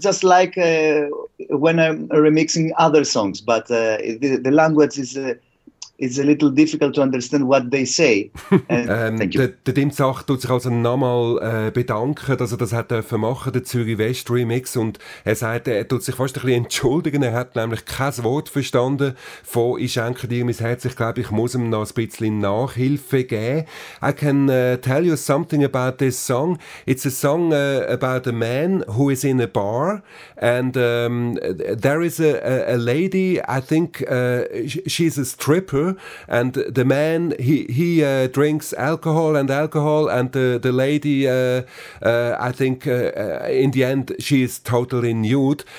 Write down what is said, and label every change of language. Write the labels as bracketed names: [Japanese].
[English] It was just like when I'm remixing other songs, but the language is... It's a little difficult to understand what they say. [German] Der Tim Zach tut sich also nochmal bedanken, dass er das hat dürfen machen, den Zürich West Remix. Und er sagt, er tut sich fast ein bisschen entschuldigen. Er hat nämlich kein Wort verstanden von «Ich schenke dir mein Herz». Ich glaube, ich muss ihm noch ein bisschen Nachhilfe geben. [English] I can tell you something about this song. It's a song about a man who is in a bar. And there is a lady, I think she's a stripper. And the man, he drinks alcohol, and the lady, I think, in the end, she is totally nude.